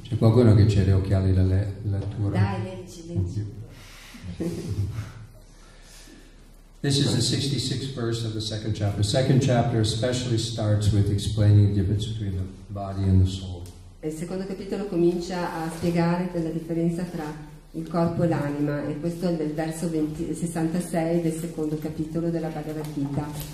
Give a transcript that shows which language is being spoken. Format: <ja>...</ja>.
<it>C'è qualcuno che c'ha gli occhiali da lettura? Dai, leggi.</it> <en>This is the 66th verse of the second chapter. The second chapter especially starts with explaining the difference between the body and the soul.</en> <it>Il secondo capitolo comincia a spiegare la differenza tra il corpo e l'anima, e questo è il verso 66 del secondo capitolo della Bhagavad Gita.</it>